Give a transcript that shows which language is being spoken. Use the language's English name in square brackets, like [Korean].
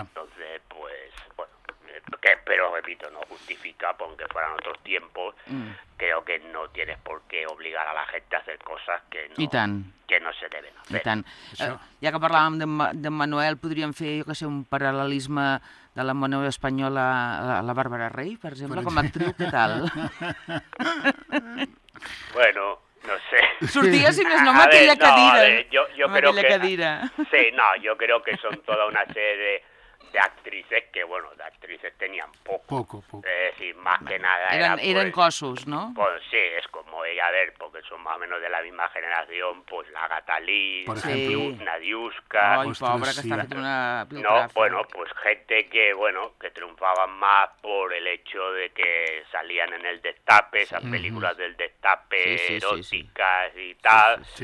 [Spanish] Entonces, pues, bueno, que, pero repito, no justifica, porque fueran otros tiempos, creo que no tienes por qué obligar a la gente a hacer cosas que no, [Catalan] I tant. [Spanish] Que no se deben hacer. [Catalan] I tant. Ja que parlàvem de Manuel, podríem fer, jo que sé, un paral·lelisme de la Manuel espanyola a la Bàrbara Rey, per exemple, com a actriu, què tal? Bueno... No sé. Sortia, si més no, amb aquella cadira. Amb aquella cadira. Sí, no, jo crec que són tota una sèrie [Spanish] de actrices, que bueno, de actrices tenían poco. Poco. Es decir, más que nada eran cosos, ¿no? Pues sí, es como ella, a ver, porque son más o menos de la misma generación, pues la Agatha Lee, por ejemplo, Nadiuska. Ay, ostras, pobre, que sí, está haciendo una biografía. No, bueno, pues gente que, bueno, que triunfaban más por el hecho de que salían en el destape, esas películas del destape, eróticas y tal.